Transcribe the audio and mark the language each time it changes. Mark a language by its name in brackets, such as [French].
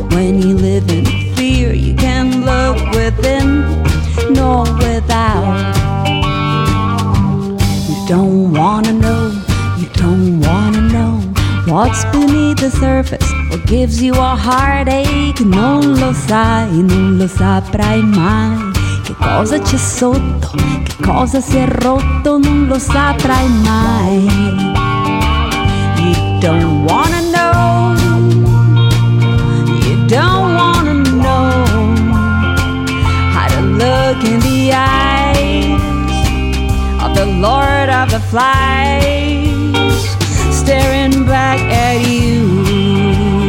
[English] When you live in fear, you can look within, nor without. You don't wanna know, you don't wanna know what's beneath the surface, what gives you a heartache. [Italian] No lo sai, no lo saprai mai. Che cosa c'è sotto, che cosa si è rotto, non lo saprai mai. [English] You don't wanna know, you don't wanna know how to look in the eyes of the Lord of the Flies, staring back at you.